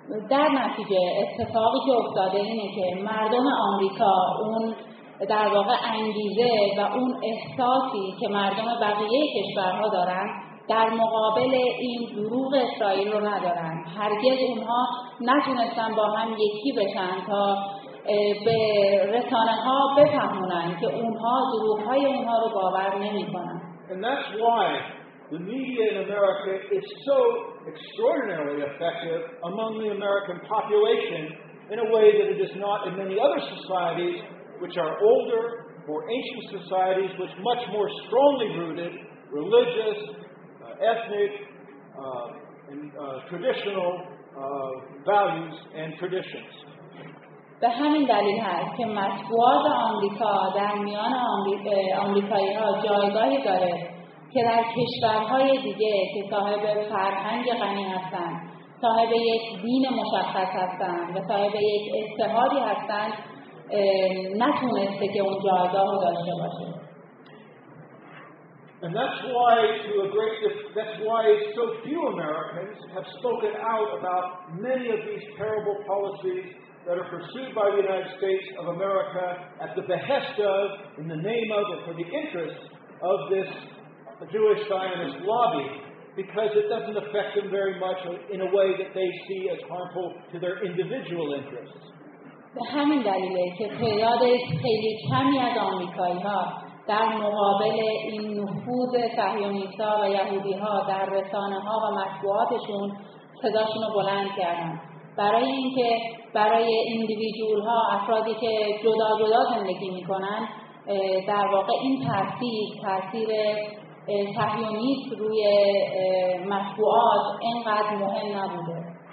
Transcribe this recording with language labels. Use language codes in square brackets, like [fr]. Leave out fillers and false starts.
[fa] در نتیجه اتفاقی که افتاده اینه که مردم آمریکا اون در واقع انگیزه و اون احساسی که مردم بقیه کشورها دارن در مقابل این دروغ اسرائیل رو ندارن. هرگز اونها نتونستن با هم یکی بشن تا به رسانه ها بفهمونن که اونها دروغ های اونها رو باور نمی کنن. [en] And that's why the media in America is so extraordinarily effective among the American population in a way that it is not in many other societies which are older, more ancient societies which much more strongly rooted religious, ethnic, and traditional values and traditions. [fa] به همین دلیل هست که مطبوعات آمریکا در میان آمریکایی‌ها جایگاهی داره که در کشورهای دیگه که صاحب فرهنگ غنی هستند، صاحب یک دین مشخص هستند و صاحب یک اتحادی هستند نتونسته که اون جایگاهو داشته باشه. [en] And that's why, to a great that's why so few Americans have spoken out about many of these terrible policies that are pursued by the United States of America at the behest of, in the name of, or for the interest of this Jewish Zionist lobby, because it doesn't affect them very much in a way that they see as harmful to their individual interests. [fa] به همین دلیله که تعداد خیلی کمی از آمریکایی‌ها در مقابل این نفوذ صهیونیست‌ها و یهودی‌ها در رسانه‌ها و مطبوعاتشون صداشون رو بلند کردن. برای اینکه برای ایندیویدوال‌ها، افرادی که جدا جدا زندگی می‌کنن، در واقع این تاثیر صهیونیست روی مطبوعات اینقدر مهم نبوده.